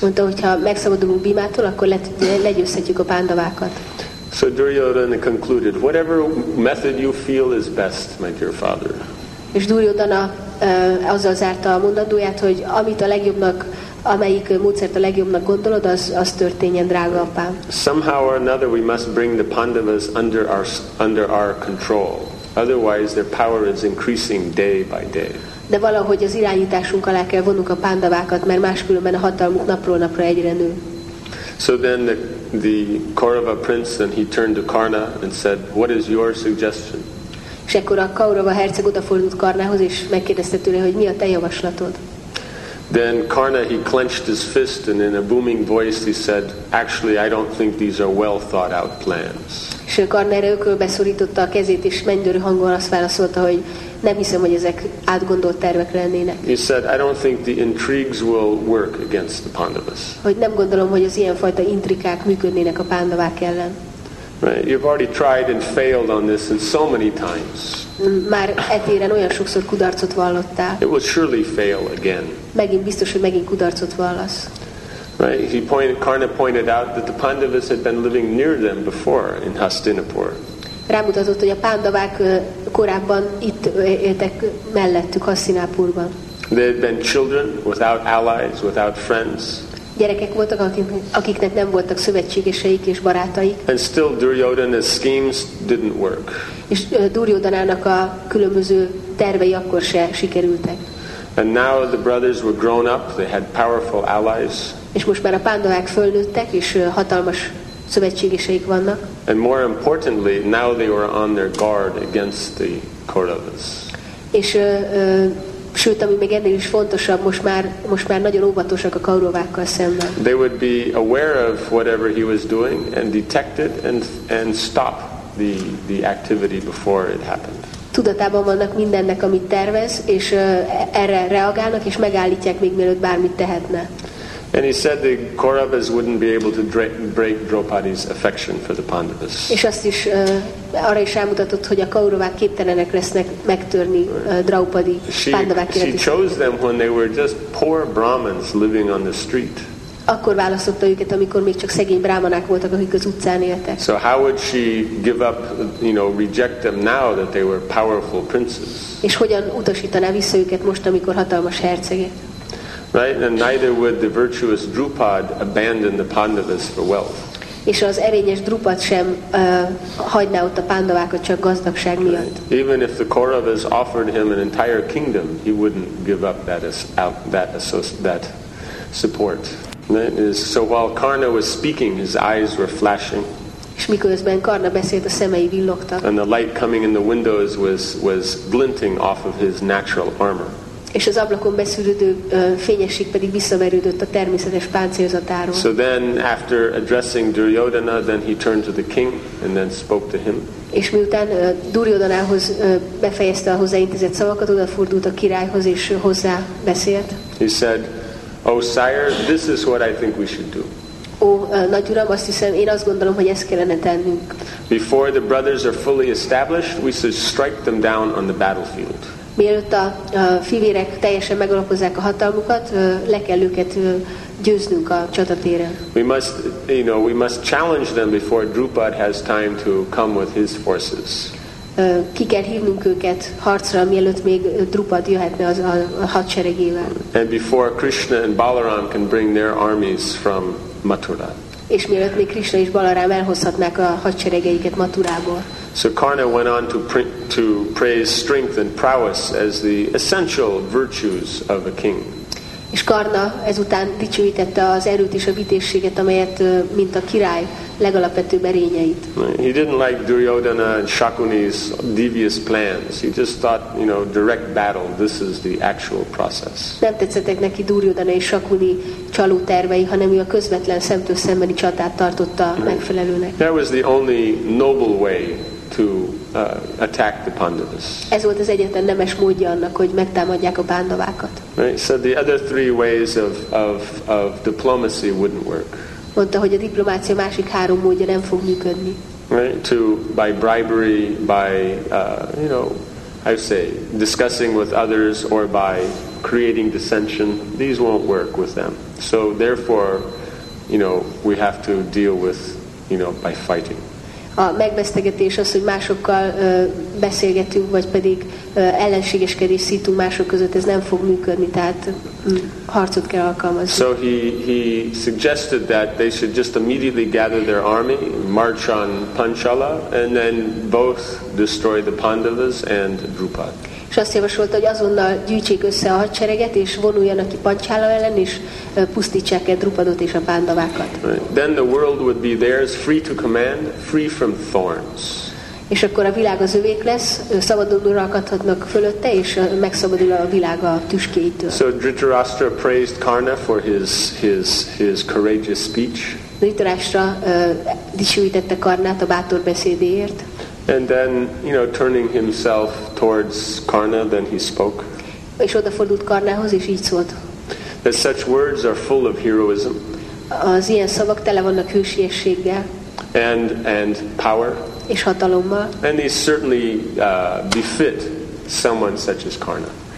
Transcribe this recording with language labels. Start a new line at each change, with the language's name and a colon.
Hungarian: Mondta, hogyha megszabadulunk Bhimától, akkor legyőzhetjük a Pandavákat.
English: So Duryodhana concluded, whatever method you feel is best, my dear father.
Hungarian: És Duryodhana azzal zárta a mondandóját, hogy amit a legjobbnak, amelyik módszert a legjobbnak gondolod, az történjen, drága apám.
English: Somehow or another we must bring the Pandavas under our control. Otherwise their power is increasing day by day.
Hungarian: De valahogy az irányításunk alá kell vonnunk a Pandavákat, mert máskülönben a hatalmuk napról napra egyre nő.
English: So then the Kaurava prince, and he turned to Karna and said, "What is your suggestion?"
Hungarian: És akkor a Kaurava herceg odafordult Karnához, és megkérdezte tőle, hogy mi a te javaslatod.
English: Then Karna, he clenched his fist, and in a booming voice he said, "Actually, I don't think these are well thought out plans."
Hungarian: És Karna erre ökölbe szorította a kezét, és mennydörű hangon azt válaszolta, hogy nem hiszem, hogy ezek átgondolt tervek lennének.
English: He said, "I don't think the intrigues will work against the Pandavas."
Hungarian: Hogy nem gondolom, hogy az ilyen fajta intrikák működnének a Pandavák ellen.
English: Right. You've already tried and failed on this in so many times.
Hungarian: Már etéren olyan sokszor kudarcot vallottál.
English: It will surely fail again.
Hungarian: Megint biztos, hogy megint kudarcot vallasz.
English: Right. Karna pointed out that the Pandavas had been living near them before in Hastinapur.
Hungarian: Rámutatott, hogy a Pandavák korábban itt éltek mellettük Hastinapurban.
English: They had been children without allies, without friends.
Hungarian: Gyerekek voltak, akiknek nem voltak szövetségeseik és barátaik.
English: And still Duryodhana's schemes didn't work.
Hungarian: És Duryodhanának a különböző tervei akkor se sikerültek.
English: And now the brothers were grown up, they had powerful allies.
Hungarian: És most már a Pandavák fölnőttek, és hatalmas szövetségeseik vannak.
English: And more importantly, now they were on their guard against the Kauravas.
Hungarian: És sőt, ami még ennél is fontosabb, most már nagyon óvatosak a Kauravákkal szemben.
English: They would be aware of whatever he was doing and detect it and stop the activity before it happened.
Hungarian: Tudatában vannak mindennek, amit tervez, és erre reagálnak, és megállítják még mielőtt bármit tehetne.
English: And he said the Kauravas wouldn't be able to break Draupadi's affection for the Pandavas.
Hungarian: És azt is arra is elmutatott, hogy a Kauravák képtelenek lesznek megtörni Draupadi Pandavák életét.
English: She chose them when they were just poor Brahmins living on the street.
Hungarian: Akkor választotta őket, amikor még csak szegény brámanák voltak, akik az utcán éltek.
English: So how would she give up, you know, reject them now that they were powerful princes?
Hungarian: És hogyan utasítaná vissza őket most, amikor hatalmas hercegek?
English: Right, and neither would the virtuous Drupad abandon the Pandavas for wealth.
Hungarian: És az erényes Drupad sem hagyná ott a pándavákat csak gazdagság miatt.
English: Even if the Kauravas offered him an entire kingdom, he wouldn't give up that support. So while Karna was speaking, his eyes were flashing.
Hungarian: És miközben Karna beszélt, a szemei villogtak.
English: And the light coming in the windows was glinting off of his natural armor.
Hungarian: És az ablakon beszűrődő fényesség pedig visszaverődött a természetes páncélzatáról.
English: So then, after addressing Duryodhana, then he turned to the king and then spoke to him.
Hungarian: És miután Duryodhanához befejezte a hozzáintézett szavakat, odafordult a királyhoz és hozzá beszélt.
English: He said, "Oh sire, this is what I think we should do."
Hungarian: Ó, nagy uram, azt hiszem, én azt gondolom, hogy ezt kellene tennünk.
English: Before the brothers are fully established, we should strike them down on the battlefield.
Hungarian: Mielőtt a fivérek teljesen megalapozzák a hatalmukat, le kell őket győznünk a csatatéren.
English: We must, you know, we must challenge them before Drupad has time to come with his forces.
Hungarian: Ki kell hívnunk őket harcra, mielőtt még Drupad jöhetne az a hadseregével.
English: And before Krishna and Balaram can bring their armies from Mathura.
Hungarian: És mielőtt még Krishna és Balaram elhozhatnák a hadseregeiket Mathurából.
English: So Karna went on to praise strength and prowess as the essential virtues of a king.
Hungarian: És Karna ezután dicsőítette az erőt és a vitézséget, amelyet mint a király legalapvetőbb erényeit.
English: He didn't like Duryodhana and Shakuni's devious plans. He just thought, you know, direct battle, this is the actual process.
Hungarian: Nem tetszettek neki Duryodhana és Shakuni csaló tervei, hanem ő a közvetlen szemtől szembeni csatát tartotta megfelelőnek.
English: That was the only noble way to attack the Pandavas.
Hungarian: Ez volt az egyetlen nemes módja annak, hogy megtámadják a pándavákat.
English: Right? So the other three ways of diplomacy wouldn't work.
Hungarian: Mondta, hogy a diplomácia másik három módja nem fog működni.
English: Right? To by bribery, by you know, I say discussing with others or by creating dissension, these won't work with them. So therefore, you know, we have to deal with, you know, by fighting.
Hungarian: A megvesztegetés az, hogy másokkal beszélgetünk, vagy pedig ellenségeskedés szítunk mások között, ez nem fog működni, tehát harcot kell alkalmazni.
English: So he suggested that they should just immediately gather their army, march on Panchala, and then both destroy the Pandavas and Drupad.
Hungarian: És azt javasolta, hogy azonnal gyűjtsék össze a hadsereget, és vonuljanak ki Panchala ellen, és pusztítsák el Drupadot és a pándavákat.
English: Then the world would be theirs, free to command, free from thorns.
Hungarian: És akkor a világ az övék lesz, szabadon uralkodhatnak fölötte, és megszabadul a világ a tüskéitől.
English: So Dhritarashtra praised Karna for his courageous speech.
Hungarian: Dhritarashtra dicsőítette Karnát a bátor beszédéért.
English: And then, you know, turning himself towards Karna, then he spoke.
Hungarian: És odafordult Karnához, és így szólt.
English: That such words are full of heroism.
Hungarian: Az ilyen szavak tele vannak hősiességgel.
English: And power.
Hungarian: És hatalommal.
English: And they certainly befit someone such as Karna.